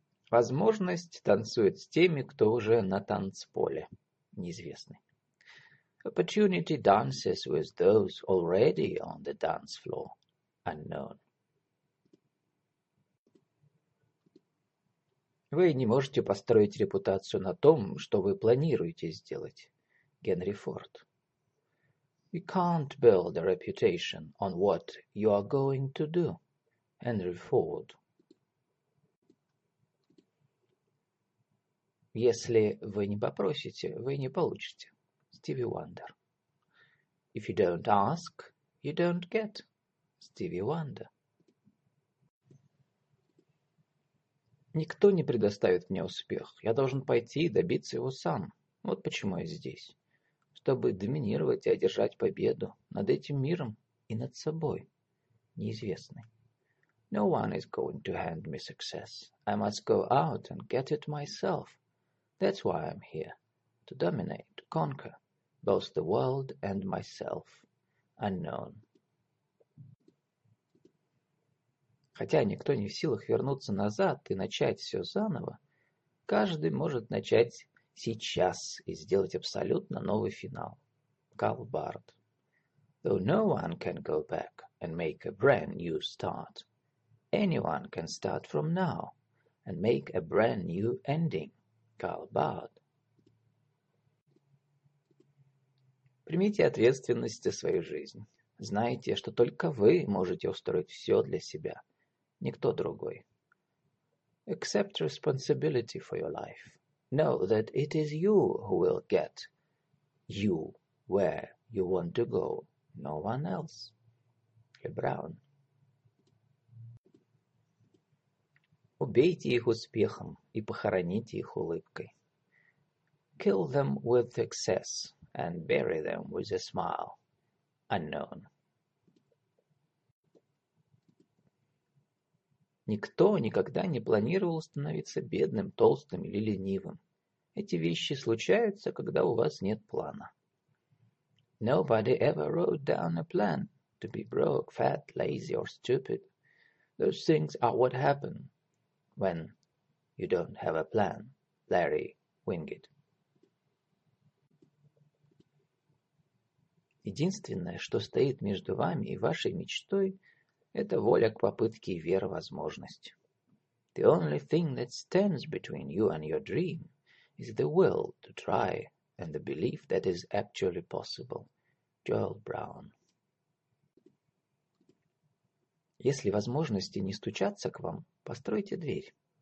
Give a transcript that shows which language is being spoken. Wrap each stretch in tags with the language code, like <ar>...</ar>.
<ru>Возможность танцует с теми, кто уже на танцполе. Неизвестный.</ru> <en>Opportunity dances with those already on the dance floor. Unknown.</en> <ru>Вы не можете построить репутацию на том, что вы планируете сделать. Генри Форд.</ru> <en>You can't build a reputation on what you are going to do. Henry Ford.</en> <ru>Если вы не попросите, вы не получите. Стиви Уандер.</ru> <en>If you don't ask, you don't get.</en> <ru>Стиви Уандер. Никто не предоставит мне успех. Я должен пойти и добиться его сам. Вот почему я здесь. Чтобы доминировать и одержать победу над этим миром и над собой. Неизвестный.</ru> <en>No one is going to hand me success. I must go out and get it myself. That's why I'm here. To dominate, to conquer both the world and myself. Unknown.</en> <ru>Хотя никто не в силах вернуться назад и начать все заново, каждый может начать сейчас и сделать абсолютно новый финал. Карл Барт.</ru> <en>Though no one can go back and make a brand new start, anyone can start from now and make a brand new ending.</en> <ru>Карл Барт. Примите ответственность за свою жизнь. Знайте, что только вы можете устроить все для себя. Никто другой.</ru> <en>Accept responsibility for your life. Know that it is you who will get you where you want to go. No one else.</en> <ru>Ли Браун. Убейте их успехом и похороните их улыбкой.</ru> <en>Kill them with success and bury them with a smile. Unknown.</en> <ru>Никто никогда не планировал становиться бедным, толстым или ленивым. Эти вещи случаются, когда у вас нет плана.</ru> <en>Nobody ever wrote down a plan to be broke, fat, lazy or stupid. Those things are what happen when you don't have a plan. Larry Wingate.</en> <ru>Единственное, что стоит между вами и вашей мечтой, это воля к попытке и вера в возможность.</ru> <en>The only thing that stands between you and your dream is the will to try and the belief that is actually possible. Joel Brown.</en> <ru>Если возможности не стучатся к вам, постройте дверь.</ru>